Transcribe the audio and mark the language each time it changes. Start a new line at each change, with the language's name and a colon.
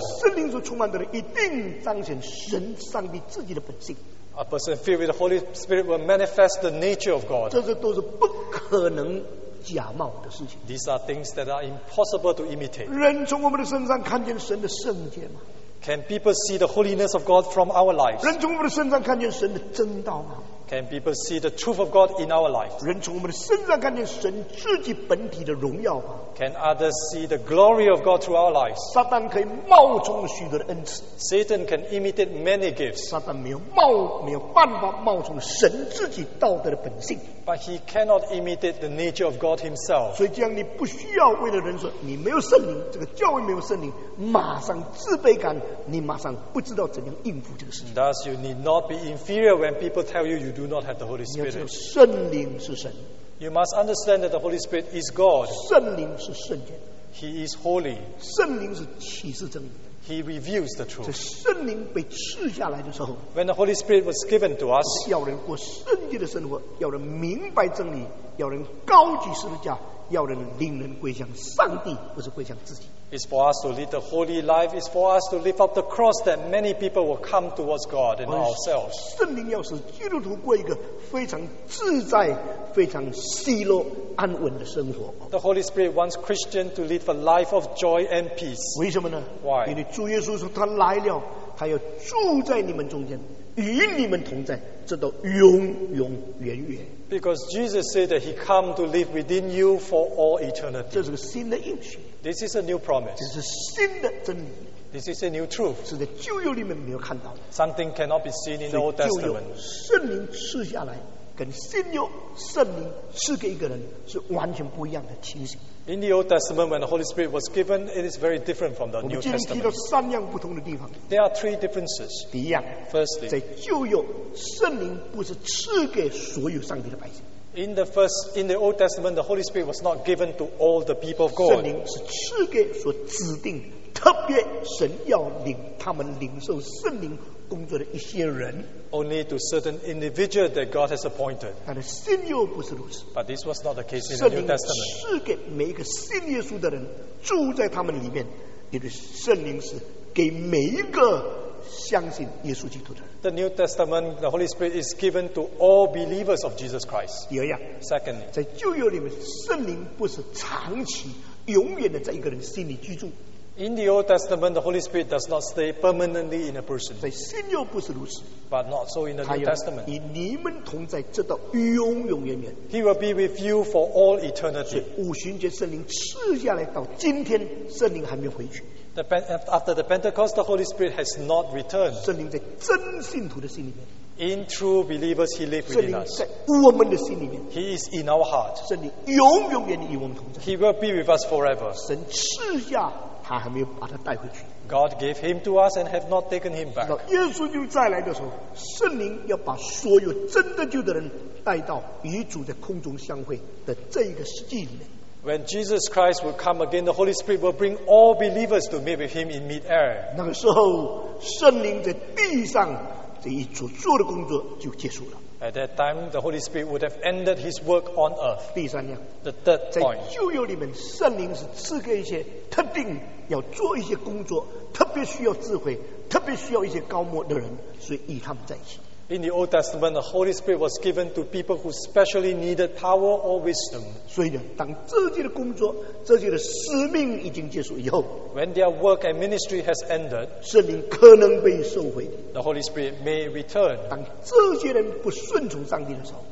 English: A person filled with the Holy Spirit will manifest the nature of God. These are things that are impossible to imitate. Can people see the holiness of God from our lives?
Chinese: 人从我们的身上看见神的真道吗?
English: Can people see the truth of God in our life?
Chinese: 人从我们的身上看见神自己本体的荣耀吗？
English: Can others see the glory of God through our lives?
Chinese: 撒旦可以冒充许多的恩赐。
English: Satan can imitate many gifts.
Chinese: 撒旦没有办法冒充神自己道德的本性。
English: But he cannot imitate the nature of God himself.
Chinese: 所以这样你不需要为了人说你没有圣灵，这个教会没有圣灵，马上自卑感，你马上不知道怎样应付这个事情。
English: Thus you need not be inferior when people tell you do not have the Holy Spirit.
Chinese: 你要知道圣灵是神。
English: You must understand that the Holy Spirit is God.
Chinese: 圣灵是圣洁。
English: He is holy.
Chinese: 圣灵是启示真理。
English: He reveals the truth.
Chinese: 这圣灵被赐下来的时候，
English: When the Holy Spirit was given to us,
Chinese: 要人过圣洁的生活，要人明白真理，要人高举十字架，要人令人归向上帝，不是归向自己。
English: It's for us to lead the holy life. It's for us to lift up the cross that many people will come towards God and ourselves.
Chinese: 圣灵要使基督徒过一个非常自在、非常喜乐、安稳的生活。
English: The Holy Spirit wants Christians to live a life of joy and peace.
Chinese: 为什么呢？
English: Why?
Chinese: 因为主耶稣说他来了，他要住在你们中间，与你们同在，直到永永远远。
English: Because Jesus said that he came to live within you for all eternity.
Chinese: 这是个新的应许。
English: This is a new promise.
Chinese: 这是新的真理。
English: This is a new truth.
Chinese: 是在旧约里面没有看到。
English: Something cannot be seen in the Old Testament.
Chinese: 旧约圣灵赐下来，跟新约圣灵赐给一个人是完全不一样的情形。
English: In the Old Testament, when the Holy Spirit was given, it is very different from the New Testament.
Chinese: 我们今天提到三样不同的地方。
English: There are three differences.
Chinese: 第一样。
English: Firstly,
Chinese: 在旧约，圣灵不是赐给所有上帝的百姓。
English: In the Old Testament, the Holy Spirit was not given to all the people of God.
Chinese: 圣灵是赐给所指定，特别神要领他们领受圣灵工作的一些人。
English: Only to certain individuals that God has appointed.
Chinese: 但是新约不是如此。
English: But this was not the case in the New Testament.
Chinese: 圣灵赐给每一个信耶稣的人住在他们里面，因为圣灵是给每一个相信耶稣基督的人。
English: The New Testament, the Holy Spirit is given to all believers of Jesus Christ.
Chinese: 第二样。
English: Secondly,
Chinese: 在旧约里面，圣灵不是长期、永远的在一个人心里居住。
English: In the Old Testament, the Holy Spirit does not stay permanently in a person.
Chinese: 在新约不是如此。
English: But not so in the New Testament.
Chinese: 与你们同在，直到永永远远。
English: He will be with you for all eternity.
Chinese: 所以五旬节圣灵赐下来，到今天圣灵还没回去。
English: After the Pentecost, the Holy Spirit has not returned.
Chinese: 圣灵在真信徒的心里面。
English: In true believers, He lives within us.
Chinese: 圣灵在我们的心里面。
English: He is in our heart.
Chinese: 圣灵永永远与我们同在。
English: He will be with us forever.
Chinese: 神赐下，他还没有把他带回去。
English: God gave him to us and have not taken him back.
Chinese: 到耶稣就再来的时候，圣灵要把所有真的救的人带到与主在空中相会的这一个实际里面。
English: When Jesus Christ will come again, the Holy Spirit will bring all believers to meet with Him in mid-air.
Chinese: 那个时候，圣灵在地上这一组做的工作就结束了。
English: At that time, the Holy Spirit would have ended His work on earth.
Chinese: 第三样。
English: The third point.
Chinese: 在旧约里面，圣灵是赐给一些特定要做一些工作，特别需要智慧，特别需要一些高谋的人，所以与他们在一起。
English: In the Old Testament, the Holy Spirit was given to people who specially needed power or wisdom.
Chinese: 所以呢，当这些的工作、这些的使命已经结束以后，
English: When their work and ministry has ended,
Chinese: 圣灵可能被收回。
English: The Holy Spirit may return.
Chinese: 当这些人不顺从上帝的时候，